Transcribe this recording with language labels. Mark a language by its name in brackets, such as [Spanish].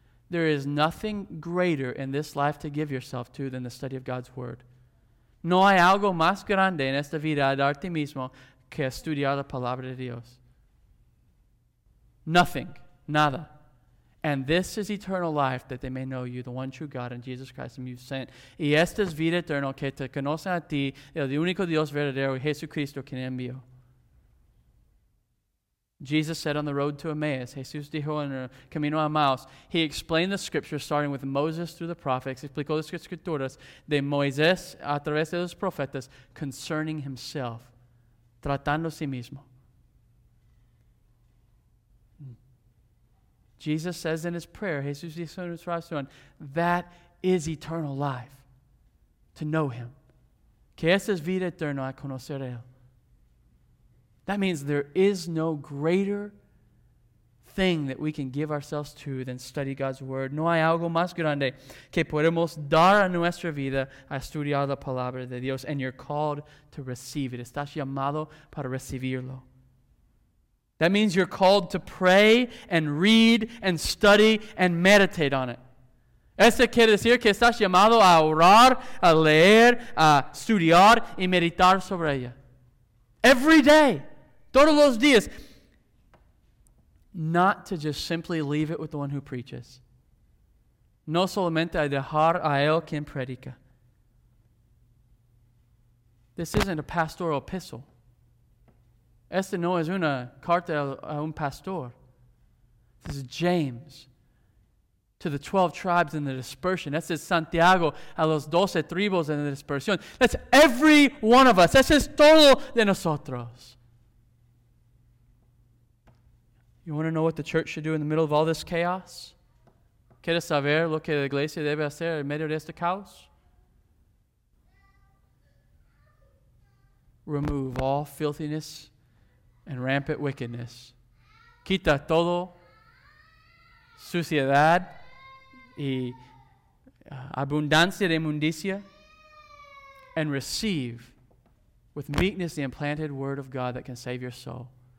[English] There is nothing greater in this life to give yourself to than the study of God's word. [Spanish] No hay algo más grande en esta vida a darte mismo que estudiar la palabra de Dios. [English] Nothing. [Spanish] Nada. [English] And this is eternal life, that they may know you, the one true God, and Jesus Christ, whom you sent. [Spanish] Y esta es vida eterna, que te conocen a ti, el único Dios verdadero, Jesucristo, quien envió. [English] Jesus said on the road to Emmaus, [Spanish] Jesús dijo en el camino a Emmaus, [English] he explained the scriptures starting with Moses through the prophets, [Spanish] explicó las escrituras de Moisés a través de los profetas [English] concerning himself, [Spanish] tratando a sí mismo. [English] Jesus says in his prayer, [Spanish] Jesus dice en su oración, [English] that is eternal life, to know him. [Spanish] Que esa es vida eterna a conocer a él. [English] That means there is no greater thing that we can give ourselves to than study God's word. [Spanish] No hay algo más grande que podemos dar a nuestra vida a estudiar la palabra de Dios. [English] And you're called to receive it. [Spanish] Estás llamado para recibirlo. [English] That means you're called to pray and read and study and meditate on it. [Spanish] Eso quiere decir que estás llamado a orar, a leer, a estudiar y meditar sobre ella. [English] Every day, [Spanish] todos los días. [English] Not to just simply leave it with the one who preaches. [Spanish] no solamente a dejar a él quien predica. [English] This isn't a pastoral epistle. [Spanish] Esta no es una carta a un pastor. [English] This is James to the 12 tribes in the dispersion. This is [Spanish] Santiago a los 12 tribus en la dispersión. [English] That's every one of us. This is [Spanish] todo de nosotros. [English] You want to know what the church should do in the middle of all this chaos? [Spanish] ¿Quieres saber lo que la iglesia debe hacer en medio de este caos? [English] Remove all filthiness and rampant wickedness. [Spanish] Quita todo suciedad y abundancia de inmundicia, [English] and receive with meekness the implanted word of God that can save your soul.